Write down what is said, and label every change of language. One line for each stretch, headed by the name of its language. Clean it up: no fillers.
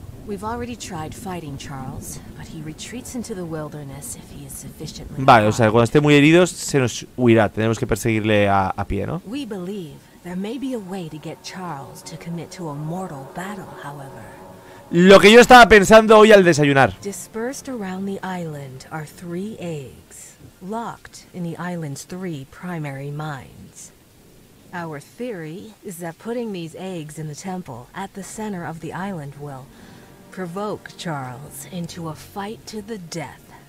English: We've already tried fighting Charles, but he retreats into the wilderness if he is sufficiently.
Spanish: Vale, o sea, cuando esté muy herido se nos huirá. Tenemos que perseguirle a pie, ¿no?
English: We believe there may be a way to get Charles to commit to a mortal battle, however.
Spanish: Lo que yo estaba pensando hoy al desayunar.
English: Dispersed around the island are 3 eggs, locked in the island's 3 primary mines. Our theory is that putting these eggs in the temple at the center of the island will provoke Charles into a fight to the death.